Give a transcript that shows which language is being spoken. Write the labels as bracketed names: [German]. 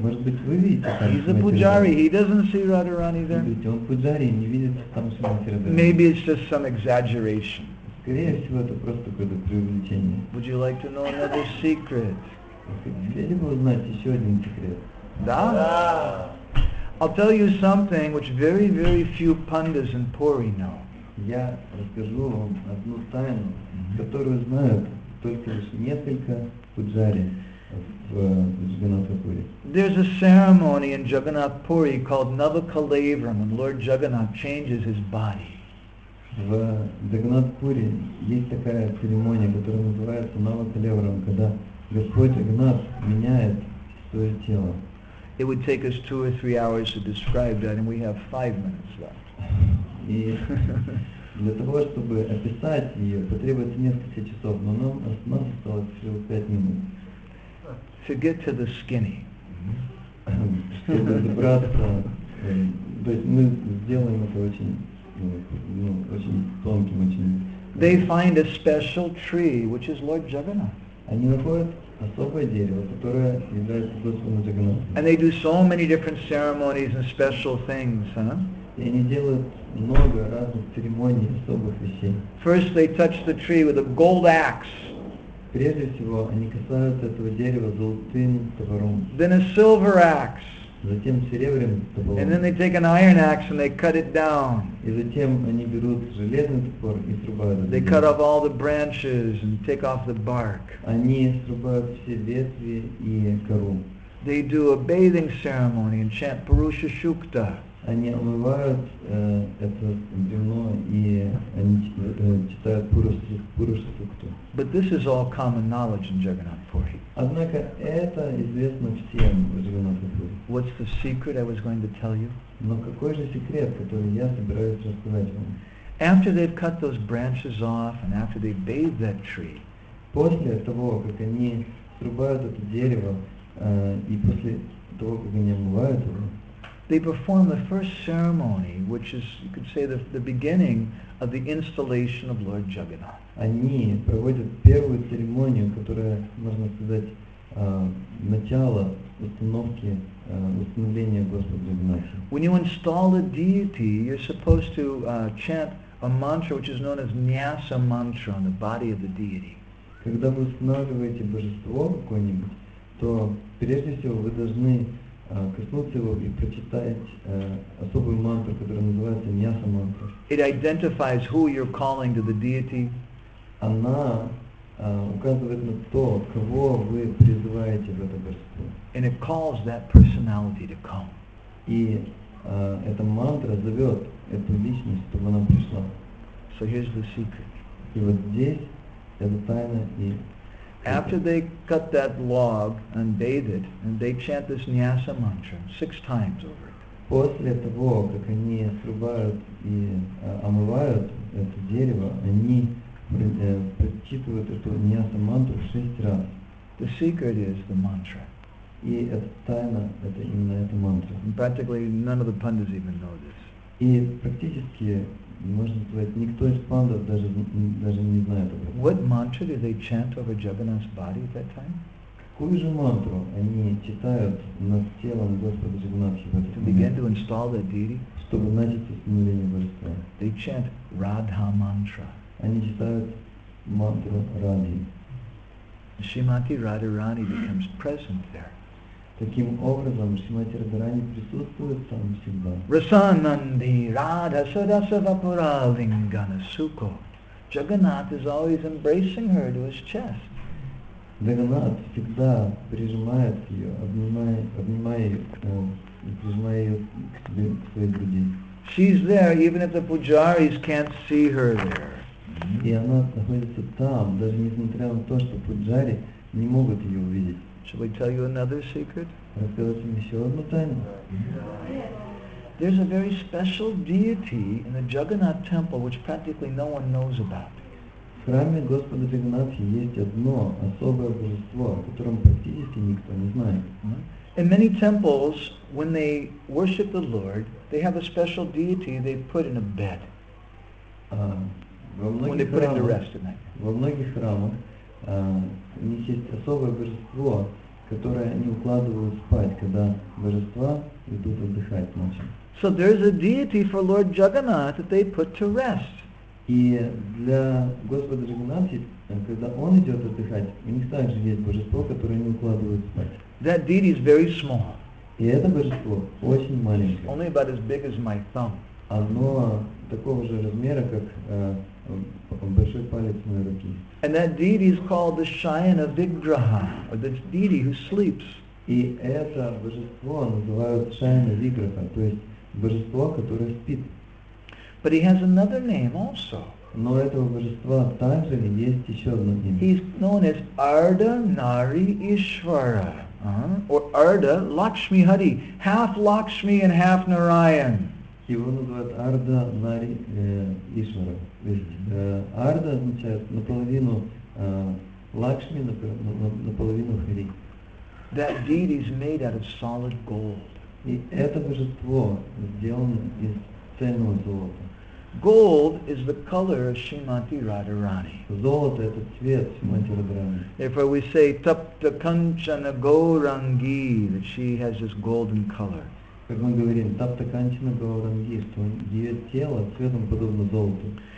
[Russian] Может быть, вы видите там. [English] He's a pujari. He doesn't see Radharani there. [Russian] Он пуджари, не видит там Шримати Радхарани. [English] Maybe it's just some exaggeration. [Russian] Скорее всего, это просто какое-то преувеличение. [English] Would you like to know another secret? [Russian] Хотели бы узнать еще один секрет? Да? [English] I'll tell you something which very, very few pandas in Puri know. [Russian] Я расскажу вам одну тайну, которую знают только лишь несколько пуджари в Джаганнатха Пури. [English] There's a ceremony in Jagannath Puri called Navakalevram when Lord Jagannath changes his body. [Russian] В Джаганнатх Пури есть такая церемония, которая называется Навакалевром, когда Господь Джаганнат меняет свое тело. [English] It would take us two or three hours to describe that, and we have 5 minutes left. [Russian] Для того, чтобы описать ее, потребуется несколько часов, но нам осталось всего 5 минут. [English] To get to the skinny. [Russian] Чтобы добраться, то есть мы сделаем это очень, ну, очень тонким, очень... [English] They find a special tree, which is Lord Jagannath. [Russian] Они находят особое дерево, которое является Господом Джагнатом. [English] And they do so many different ceremonies and special things, huh? [Russian] И они делают много разных церемоний, особых вещей. [English] First they touch the tree with a gold axe. [Russian] Прежде всего, они касаются этого дерева золотым топором. [English] Then a silver axe. [Russian] Затем серебряным топором. [English] And then they take an iron axe and they cut it down. [Russian] И затем они берут железный топор и срубают его. [English] They cut off all the branches and take off the bark. [Russian] Они срубают все ветви и кору. [English] They do a bathing ceremony and chant Purusha Shukta. [Russian] они омывают это вино и они читают Пурушасукту. [English] But this is all common knowledge in Jagannath Puri. [Russian] Однако это известно всем в Jagannath Puri. [English] What's the secret I was going to tell you? [Russian] Но какой же секрет, который я собираюсь рассказать вам? [English] After they've cut those branches off and after they bathe that tree. [Russian] После того, как они срубают это дерево и после того, как они омывают его. [English] They perform the first ceremony, which is, you could say, the beginning of the installation of Lord Jagannath. [Russian] Они проводят первую церемонию, которая, можно сказать, начало установки, установления Господа Джагнатха. [English] When you install a deity, you're supposed to chant a mantra, which is known as Nyasa mantra, on the body of the deity. [Russian] Когда вы устанавливаете божество какое-нибудь, то прежде всего вы должны коснуться его и прочитать особую мантру, которая называется Ньяса мантра. [English] It identifies who you're calling to the deity. [Russian] Она указывает на то, кого вы призываете в это божество. [English] And it calls that personality to come. [Russian] И эта мантра зовет эту личность, чтобы она пришла. [English] So here's the secret. [Russian] И вот здесь эта тайна и [English] After they cut that log and bathe it, and they chant this Nyasa mantra 6 times over it. [Russian] После того, как они срубают и омывают это дерево, они прочитывают эту Nyasa mantra 6 раз. [English] The secret is the mantra. [Russian] И эта тайна — это именно эта мантра. [English] And practically none of the pandas even know this. [Russian] И практически, можно сказать, никто из пандов даже не знает об этом. [English] What mantra do they chant over Jagannath's body at that time? [Russian] Какую же мантру они читают над телом Господа Джагнатхи в этот момент? [English] Begin to install that deity. [Russian] Чтобы начать установление божества. [English] They chant Radha mantra. [Russian] Они читают мантру Радхи. [English] Shrimati Radharani becomes present there. [Russian] Таким образом, Шримати Радхарани присутствует там всегда. [Sanskrit] Расананди Радха Садасавапура Лингана Сукхо. [English] Jagannath is always embracing her to his chest. [Russian] Jagannath всегда прижимает ее, обнимая ее к себе, к своей груди. [English] She's there even if the pujaris can't see her there. [Russian] И она находится там, даже несмотря на то, что пуджари не могут ее увидеть. [English] Shall I tell you another secret? Mm-hmm. There's a very special deity in the Jagannath temple which practically no one knows about. [Russian] В храме Господа Джагнатхи есть одно особое божество, о котором практически никто не знает. [English] In many temples, when they worship the Lord, they have a special deity they put in a bed. When they put him to rest at night. [Russian] Во многих храмах у них есть особое божество, которое они укладывают спать, когда божества идут отдыхать ночью. [English] So there's a deity for Lord Jagannath that they put to rest. [Russian] И для Господа Джагнатхи, когда он идет отдыхать, у них также есть божество, которое они укладывают спать. [English] That deity is very small. [Russian] И это божество очень маленькое. [English] Only about as big as my thumb. [Russian] Оно такого же размера, как большой палец моей руки. [English] And that deity is called the Shayana Vigraha, or the deity who sleeps. [Russian] И это божество называют Shayana Vigraha, то есть божество, которое спит. [English] But he has another name also. [Russian] Но этого божества также есть еще одно имя. [English] He's known as Ardha Nari Ishvara, or Ardha Lakshmi Hari, half Lakshmi and half Narayan. [Russian] Его называют Ардха Нари Ишвара. Ардха означает наполовину Лакшми, наполовину Хари. [English] That deity is made out of solid gold. [Russian] И это божество сделано из цельного золота. [English] Gold is the color of Shrimati Radharani. [Russian] Золото — это цвет Шримати Радхарани. [English] Therefore we say [Sanskrit] Tapta Kanchana Gaurangi, [English] that she has this golden color. [Russian] Как мы говорим, [Sanskrit] Тапта Канчина Гауранги, [Russian] что ее тело цветом подобно золоту.